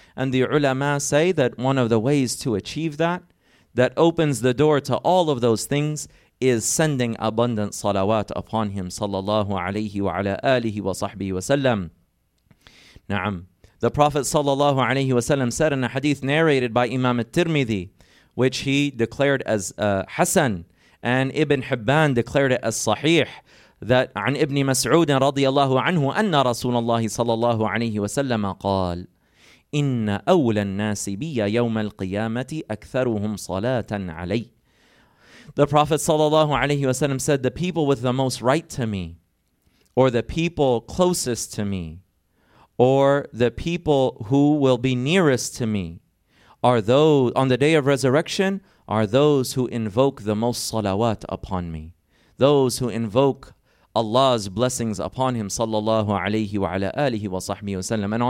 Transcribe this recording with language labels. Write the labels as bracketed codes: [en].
[en] And the ulama say that one of the ways to achieve that, that opens the door to all of those things, is sending abundant salawat upon him. [ar] Sallallahu alayhi wa ala alihi wa sahbihi wa sallam. Na'am. [en] The Prophet sallallahu alayhi wa sallam said in a hadith narrated by Imam al-Tirmidhi, which he declared as Hassan, and Ibn Hibban declared it as Sahih, that [ar] عن ابن مسعود رضي الله عنه أن رسول الله صلى الله عليه وسلم قال إن أولى الناس بي يوم القيامة أكثرهم صلاة علي. [en] The Prophet صلى الله عليه وسلم said, the people with the most right to me, or the people closest to me, or the people who will be nearest to me, are those on the day of resurrection, are those who invoke the most salawat upon me, those who invoke Allah's blessings upon him, sallallahu alayhi wa ala alihi wa sahbihi wa sallam.